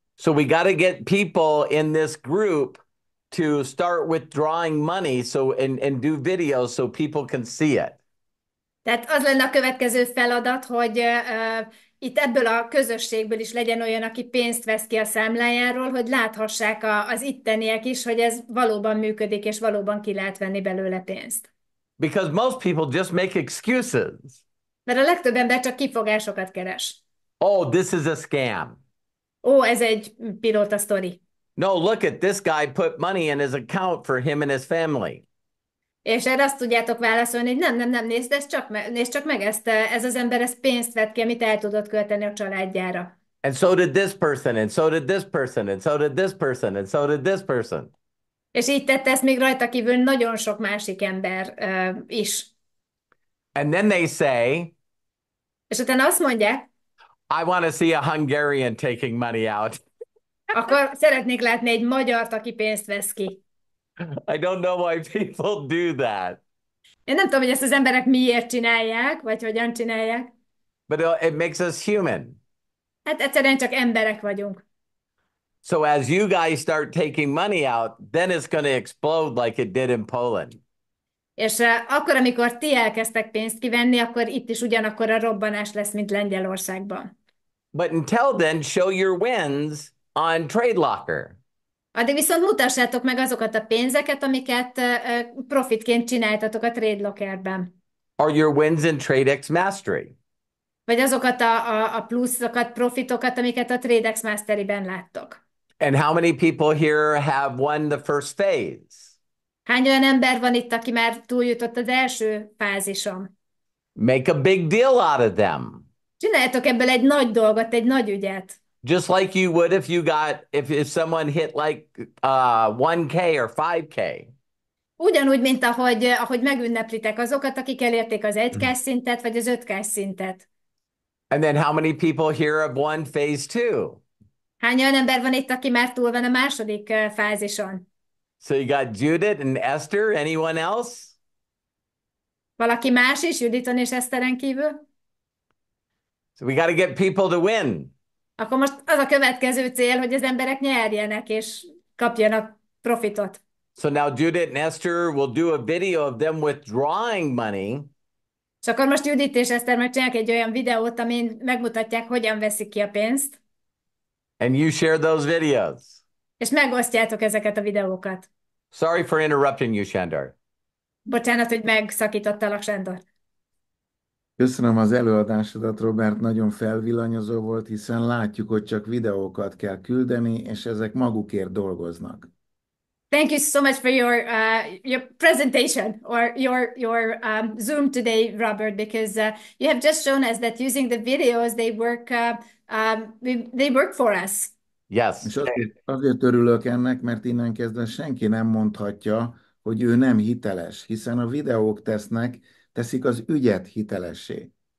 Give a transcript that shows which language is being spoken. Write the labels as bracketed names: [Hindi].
[English] So we got to get people in this group to start withdrawing money so and do videos so people can see it. [Hungarian] Tehát az lenne a következő feladat, hogy itt ebből a közösségből is legyen olyan, aki pénzt vesz ki a számlájáról, hogy láthassák az itteniek is, hogy ez valóban működik, és valóban ki lehet venni belőle pénzt. [English] Because most people just make excuses. [Hungarian] Mert a legtöbb ember csak kifogásokat keres. [English] Oh, this is a scam. [Hungarian] Ó, ez egy pilóta sztori. [English] No, look at this guy put money in his account for him and his family. [Hungarian] És erre azt tudjátok válaszolni, hogy nem, nézd csak meg ezt, ez az ember ezt pénzt vett ki, amit el tudott költeni a családjára. [English] And so did this person, and so did this person, and so did this person, and so did this person. [Hungarian] És így tette ezt még rajta kívül nagyon sok másik ember is. [English] And then they say, [Hungarian] És utána azt mondják, [English] I want to see a Hungarian taking money out. [Hungarian] akkor szeretnék látni egy magyart, aki pénzt vesz ki. [English] I don't know why people do that. [Hungarian] Én nem tudom, hogy ezt az emberek miért csinálják, vagy hogyan csinálják. [English] But it makes us human. [Hungarian] Hát egyszerűen csak emberek vagyunk. [English] So as you guys start taking money out, then it's going to explode like it did in Poland. [Hungarian] És akkor, amikor ti elkezdtek pénzt kivenni, akkor itt is ugyanakkor a robbanás lesz, mint Lengyelországban. [English] But until then, show your wins on Trade Locker. [Hungarian] Addig viszont mutassátok meg azokat a pénzeket, amiket profitként csináltatok a Trade Lockerben. [English] Are your wins in Tradexmastery? [Hungarian] Vagy azokat a pluszokat, profitokat, amiket a Tradexmastery-ben láttok. [English] And how many people here have won the first phase? [Hungarian] Hány olyan ember van itt, aki már túljutott az első fázison? [English] Make a big deal out of them. [Hungarian] Csináljátok ebből egy nagy dolgot, egy nagy ügyet. [English] Just like you would if you got if someone hit like 1K or 5K. [Hungarian] Ugyanúgy, mint ahogy megünneplitek azokat, akik elérték az 1K szintet, vagy az 5K szintet. [English] And then how many people here have won phase two? [Hungarian] Hány olyan ember van itt, aki már túl van a második fázison? [English] So you got Judith and Esther, anyone else? [Hungarian] Valaki más is, Juditon és Eszteren kívül? [English] So we got to get people to win. [Hungarian] Akkor most az a következő cél, hogy az emberek nyerjenek és kapjanak profitot. [English] So now Judith and Esther will do a video of them withdrawing money. [Hungarian] És akkor most Judit és Eszter meg csinálják egy olyan videót, amin megmutatják, hogyan veszik ki a pénzt. [English] And you share those videos. [Hungarian] És megosztjátok ezeket a videókat. [English] Sorry for interrupting you, Shandor. [Hungarian] Bocsánat, hogy megszakítottalak, Sándor. Köszönöm az előadásodat, Robert. Nagyon felvillanyozó volt, hiszen látjuk, hogy csak videókat kell küldeni, és ezek magukért dolgoznak. [English] Thank you so much for your presentation or your Zoom today, Robert, because you have just shown us that using the videos they work for us. Yes. [Hungarian] És azért örülök ennek, mert innen kezdve senki nem mondhatja, hogy ő nem hiteles, hiszen a videók teszik az ügyet hitelessé.